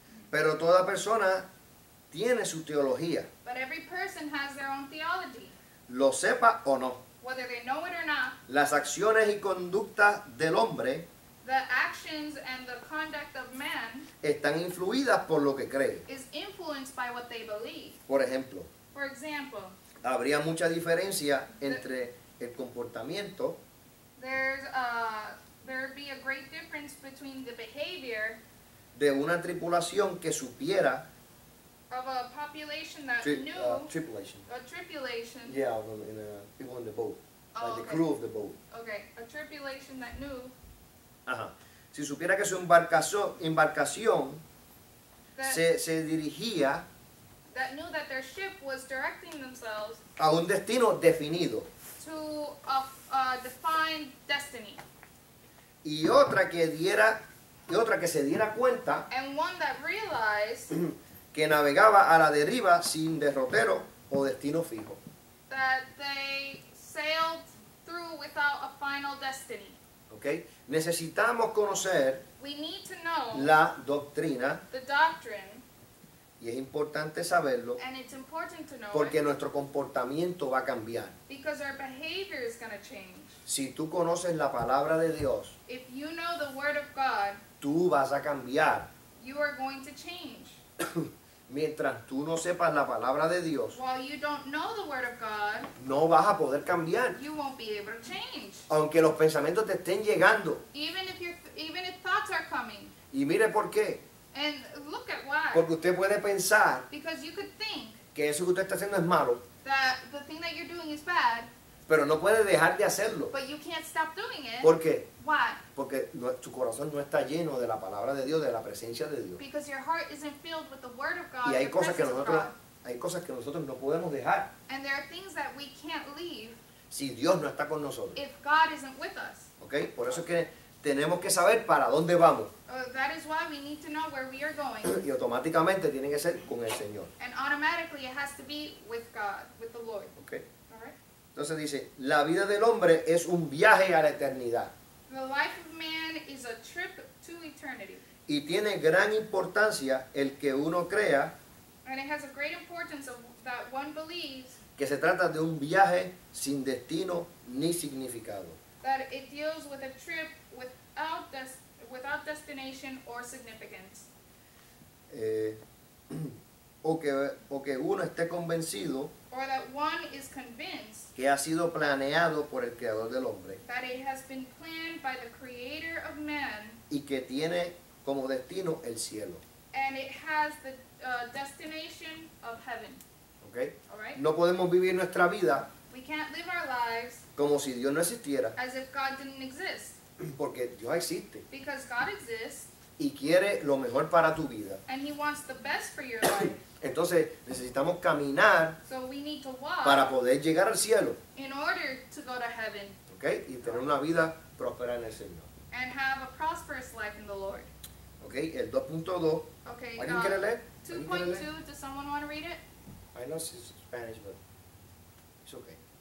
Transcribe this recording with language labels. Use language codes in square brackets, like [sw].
[es] Pero toda persona tiene su teología. [en] But every person has their own theology. [es] Lo sepa o no. [en] Whether they know it or not. [es] Las acciones y conductas del hombre. [en] The actions and the conduct of man. [es] Están influidas por lo que cree. [en] Is influenced by what they believe. [es] Por ejemplo. [en] For example. [es] Habría mucha diferencia entre el comportamiento. [en] There'd be a great difference between the behavior [es] de una tripulación que supiera [en] of a population that knew a tripulation yeah, in a, people in the boat, okay. The crew of the boat. Okay, a tripulation that knew. Ajá. [es] Si supiera que su embarcación se dirigía [en] that knew that their ship was directing themselves [es] a un destino definido [en] to a defined destiny. [es] Y otra que se diera cuenta [en] and one that realized [es] que navegaba a la deriva sin derrotero o destino fijo. [en] That they sailed through without a final destiny. [es] Okay. Necesitamos conocer [en] we need to know [es] la doctrina. [en] The doctrine. [es] Y es importante saberlo. [en] And it's important to know [es] porque nuestro comportamiento va a cambiar. [en] Because our behavior is going to change. [es] Si tú conoces la palabra de Dios, [en] if you know the word of God, [es] tú vas a cambiar. [en] You are going to change. [es] Mientras tú no sepas la palabra de Dios, [en] while you don't know the word of God, [es] no vas a poder cambiar. [en] You won't be able to change. [es] Aunque los pensamientos te estén llegando. [en] Even if thoughts are coming. [es] Y mire por qué. [en] And look at why. [es] Porque usted puede pensar, [en] because you could think, [es] que eso que usted está haciendo es malo. [en] That the thing that you're doing is bad. [es] Pero no puedes dejar de hacerlo. [en] But you can't stop doing it. [es] ¿Por qué? [en] Why? [es] Porque tu corazón no está lleno de la palabra de Dios, de la presencia de Dios. [en] Because your heart isn't filled with the word of God. [es] Y hay cosas que nosotros no podemos dejar. [en] And there are things that we can't leave. [es] Si Dios no está con nosotros. [en] If God isn't with us. [es] Okay, por eso es que tenemos que saber para dónde vamos. [en] That is why we need to know where we are going. [es] Y automáticamente tiene que ser con el Señor. [en] And automatically it has to be with God, with the Lord. Okay. [es] Entonces dice, la vida del hombre es un viaje a la eternidad. [en] The life of man is a trip to eternity. [es] Y tiene gran importancia el que uno crea. [en] And it has a great importance of that one believes. [es] Que se trata de un viaje sin destino ni significado. [en] That it deals with a trip without without destination or significance. [es] O que uno esté convencido. [en] Or that one is convinced. [es] Que ha sido planeado por el creador del hombre. [en] That it has been planned by the creator of man. [es] Y que tiene como destino el cielo. [en] And it has the destination of heaven. Okay. All right. [es] No podemos vivir nuestra vida. [en] We can't live our lives. [es] Como si Dios no existiera. [en] As if God didn't exist. [es] Porque Dios existe. [en] Because God exists. [es] Y quiere lo mejor para tu vida. [en] And he wants the best for your life. [es] Entonces necesitamos caminar. [en] So we need to walk. [es] Para poder llegar al cielo. [en] In order to go to heaven. Okay. [es] Y tener una vida próspera en el Señor. [en] And have a prosperous life in the Lord. [es] Okay, el 2.2. [en] Okay, [es] ¿alguien quiere leer? [en] 2.2, does someone want to read it? I know it's Spanish, but it's okay.